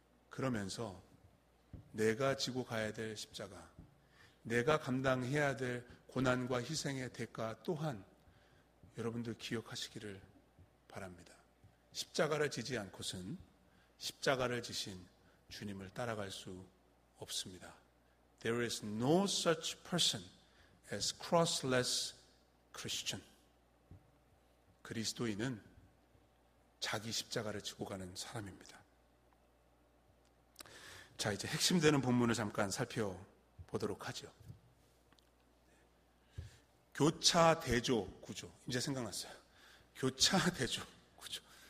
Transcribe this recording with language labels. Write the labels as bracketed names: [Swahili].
[Korean] 그러면서 내가 지고 가야 될 십자가, 내가 감당해야 될 고난과 희생의 대가 또한 여러분들 기억하시기를 바랍니다. 십자가를 지지 않고선 십자가를 지신 주님을 따라갈 수 없습니다. [English] There is no such person as crossless Christian. [Korean] 그리스도인은 자기 십자가를 지고 가는 사람입니다. 자, 이제 핵심되는 본문을 잠깐 살펴보도록 하죠. 교차 대조 구조. 이제 생각났어요. 교차 대조 구조.